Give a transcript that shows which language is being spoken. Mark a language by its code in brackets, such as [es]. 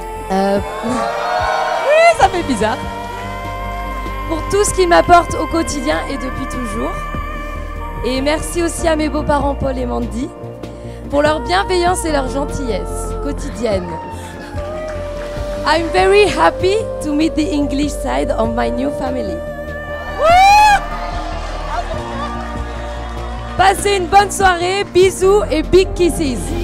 [fr] Oui, ça fait bizarre. Pour tout ce qu'ils m'apportent au quotidien et depuis toujours. Et merci aussi à mes beaux-parents Paul et Mandy pour leur bienveillance et leur gentillesse quotidienne. [en] I'm very happy to meet the English side of my new family. [fr] Passez une bonne soirée, bisous et [en] big kisses.